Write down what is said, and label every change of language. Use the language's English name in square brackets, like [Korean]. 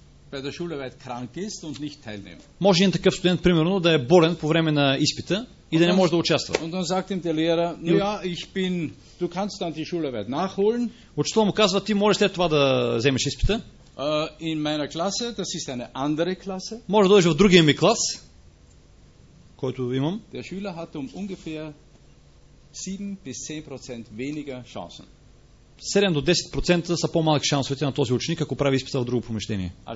[German] Bei der Schularbeit krank ist und nicht teilnehmen. [Bulgarian] Може един такъв студент, примерно, да е болен по време на изпита и да не може да участва. [German] Und dann sagt ihm der Lehrer, du kannst dann die Schularbeit nachholen. [Bulgarian] Учителът му казва, ти можеш след това да вземеш изпита. [German] In meiner Klasse, das ist eine andere Klasse. [Bulgarian] Може да дойдеш в другия ми клас, който имам. [German] Der Schüler hat ungefähr 7-10% weniger Chancen. [Bulgarian] 7-10% са по-малки шансовете на този ученик, ако прави изпита в друго помещение.